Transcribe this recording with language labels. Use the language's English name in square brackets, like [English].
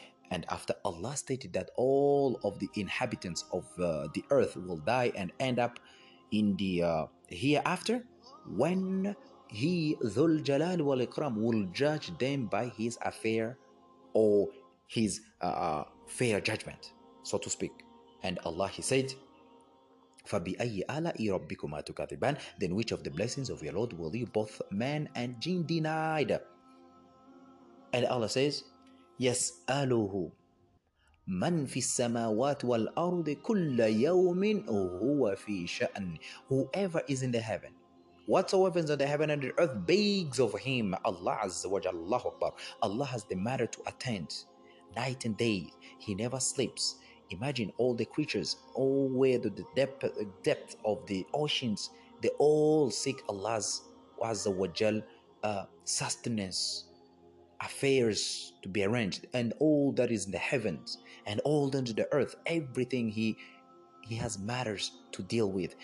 [English] And after Allah stated that all of the inhabitants of the earth will die and end up in the hereafter, when he, Dhul Jalal wal Ikram, will judge them by his affair or his fair judgment, so to speak. And Allah, he said, [Arabic] فَبِأَيِّ آلَاءِ رَبِّكُمَا تُكَذِّبَانِ. [English] Then which of the blessings of your Lord will you, both man and jinn, deny? And Allah says, [Arabic] يَسْأَلُهُ مَن فِي السَّمَاوَاتِ وَالْأَرْضِ كُلَّ يَوْمٍ هُوَ فِي شَأْنِ. [English] Whoever is in the heaven, whatsoever is in the heaven and the earth, begs of him, Allah Azza wa Jalla, Allahu Akbar. Allah has the matter to attend night and day. He never sleeps. Imagine all the creatures, all where the depth of the oceans, they all seek Allah's Azza wa Jal sustenance, affairs to be arranged, and all that is in the heavens and all under the earth, everything he has matters to deal with.